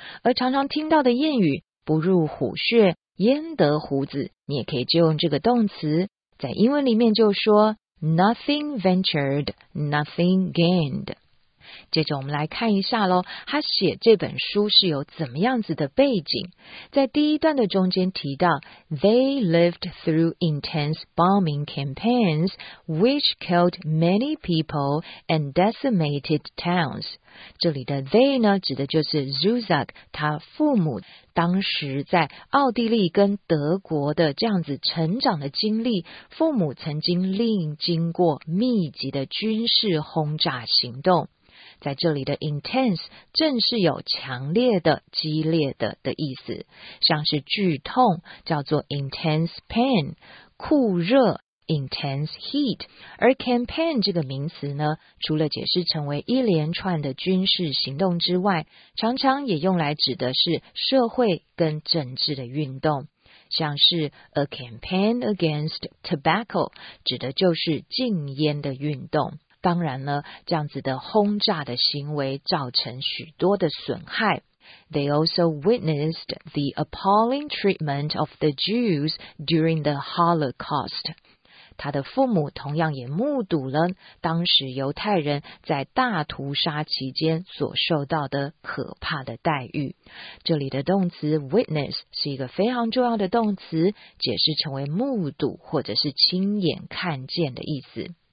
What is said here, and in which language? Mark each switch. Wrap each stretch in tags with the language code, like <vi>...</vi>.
<zh>而常常听到的谚语，不入虎穴，焉得虎子，你也可以就用这个动词，在英文里面就说</zh> <en>Nothing ventured, nothing gained.</en> <zh>接着我们来看一下咯，他写这本书是有怎么样子的背景。在第一段的中间提到</zh> <en>They lived through intense bombing campaigns, which killed many people and decimated towns.</en> <zh>这里的 they 呢，指的就是 Zusak 他父母当时在奥地利跟德国的这样子成长的经历，父母曾经历经过密集的军事轰炸行动。在这里的 intense 正是有强烈的、激烈的意思，像是剧痛叫做</zh> <en>intense pain，</en> <zh>酷热</zh> <en>intense heat。</en> <zh>而 campaign 这个名词呢，除了解释成为一连串的军事行动之外，常常也用来指的是社会跟政治的运动，像是</zh> <en>a campaign against tobacco</en> <zh>指的就是禁烟的运动。当然呢，这样子的轰炸的行为造成许多的损害。</zh> <en>They also witnessed the appalling treatment of the Jews during the Holocaust.</en> <zh>他的父母同样也目睹了当时犹太人在大屠杀期间所受到的可怕的待遇。这里的动词 witness 是一个非常重要的动词，解释成为目睹或者是亲眼看见的意思。</zh>